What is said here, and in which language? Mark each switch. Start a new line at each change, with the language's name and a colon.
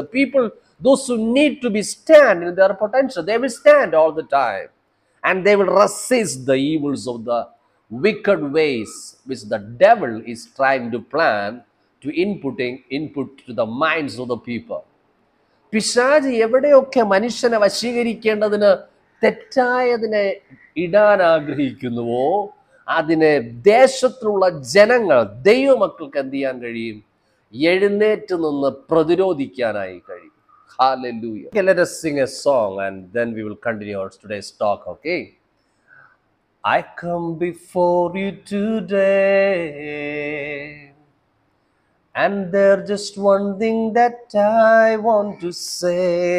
English: The people, those who need to be stand in their potential, they will stand all the time. And they will resist the evils of the wicked ways which the devil is trying to plan to input to the minds of the people.
Malayalam: പിശാച് എവിടെയൊക്കെ മനുഷ്യനെ വശീകരിക്കേണ്ടതിന് തെറ്റായതിനെ ഇടാൻ ആഗ്രഹിക്കുന്നുവോ അതിനെ ദേശത്തിലുള്ള ജനങ്ങൾ ദൈവമക്കൾക്ക് എന്ത് ചെയ്യാൻ കഴിയും എഴുന്നേറ്റ് നിന്ന് പ്രതിരോധിക്കാനായി കഴിയും Hallelujah.
English: Let us sing a song and then we will continue our today's talk, okay? I come before you today and there's just one thing that I want to say.